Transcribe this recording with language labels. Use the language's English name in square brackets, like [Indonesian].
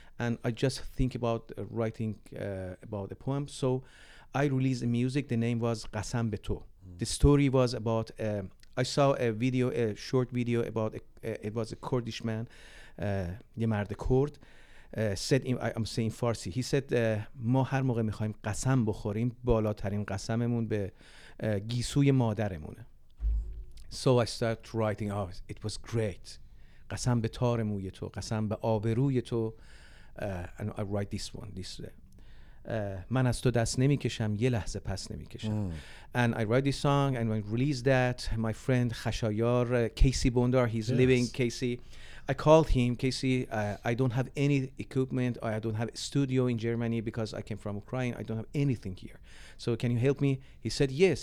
[English] And I just think about writing about a poem. So I released a music. The name was Qasam be to. The story was about, I saw a video, a short video about, it was a Kurdish man, Yemar the Kurd. Said in, I'm saying Farsi. He said, [Persian] ما هر موقع میخوایم قسم بخوریم بالاترین قسممون به گیسوی مادرمونه. [English] So I started writing, oh, it was great. [Persian] قسم به تار موی تو, قسم به آبروی تو. [English] And I write this one, this. [Persian] من از تو دست نمی کشم, یه لحظه پس نمی کشم. [English] And I write this song and I release that. My friend Khashayar, Casey Bondar, he's living, Casey. I called him, Casey, I don't have any equipment. I don't have a studio in Germany because I came from Ukraine. I don't have anything here. So can you help me? He said, yes.